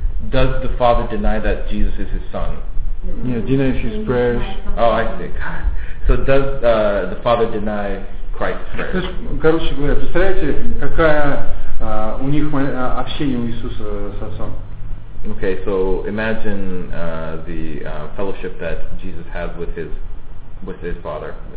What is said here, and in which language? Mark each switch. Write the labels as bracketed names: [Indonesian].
[English] Does the Father deny that Jesus is his son? Yeah, denies his prayers. Oh, I see. So does the Father deny Christ's prayers? [Russian] То есть, короче говоря, представляете, какая у них общение у Иисуса с Отцом? [English] Okay, so imagine the fellowship that Jesus has with the Father.